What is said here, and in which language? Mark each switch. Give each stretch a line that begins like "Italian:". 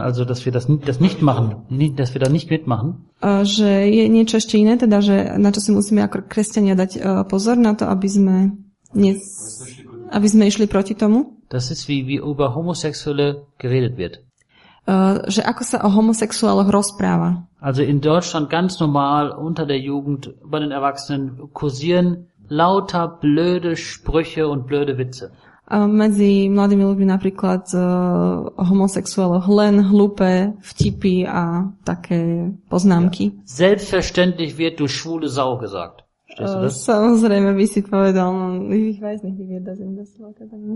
German: also dass wir das nicht machen, dass wir da nicht mitmachen.
Slovak: Že je niečo ešte iné, teda, že na čo si musíme ako kresťania dať pozor na to, aby sme išli proti tomu.
German: Das ist, wie über Homosexuelle geredet wird.
Slovak: Že ako sa o homosexuáloch rozpráva.
German: Also in Deutschland ganz normal unter der Jugend, bei den Erwachsenen kursieren lauter blöde Sprüche und blöde Witze.
Slovak: Medzi mladými ľuďmi napríklad homosexuáloch len hlúpe vtipy a také poznámky.
German: Ja. Selbstverständlich wird du schwule Sau gesagt. Verstehst du das?
Slovak: Samozrejme by si povedal,
German: ich weiß nicht, wie wird das in der Slowakei.